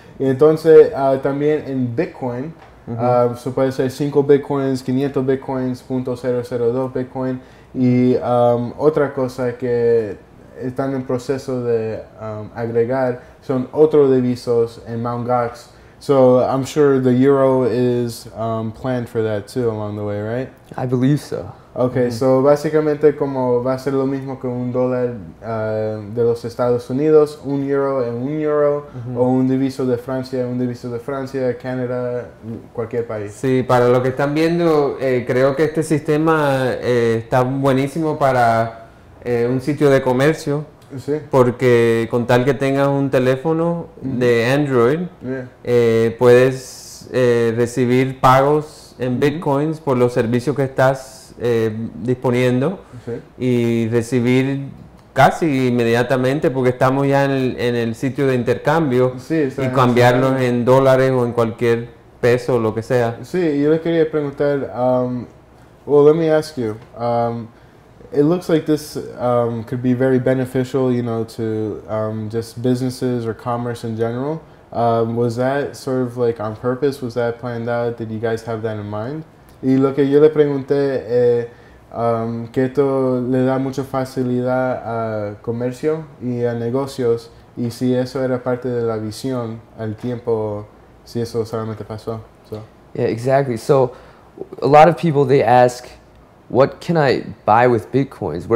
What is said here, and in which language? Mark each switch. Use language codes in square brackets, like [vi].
[es] Y entonces, también en Bitcoin, so puede ser 5 Bitcoins, 500 Bitcoins, 0.002 Bitcoin. Y otra cosa que están en proceso de agregar son otros divisos en Mt. Gox. [en] So I'm sure the euro is planned for that too along the way, right? I believe so. [es] Okay, so básicamente como va a ser lo mismo que un dólar de los Estados Unidos, un euro en un euro, o un diviso de Francia, Canadá, cualquier país. Sí, para lo que están viendo, creo que este sistema está buenísimo para un sitio de comercio. Sí. Porque con tal que tengas un teléfono de Android, puedes recibir pagos en bitcoins por los servicios que estás disponiendo y recibir casi inmediatamente, porque estamos ya en el sitio de intercambio y cambiarlos en dólares o en cualquier peso o lo que sea. Sí, yo les quería preguntar, [en] well, let me ask you. It looks like this could be very beneficial, you know, to just businesses or commerce in general. Was that sort of like on purpose? Was that planned out? Did you guys have that in mind? [es] Y lo que yo le pregunté es que esto le da mucha facilidad a comercio y a negocios, y si eso era parte de la visión al tiempo, si eso solamente pasó. [en] So. Yeah, exactly. So a lot of people, they ask, what can I buy with bitcoins?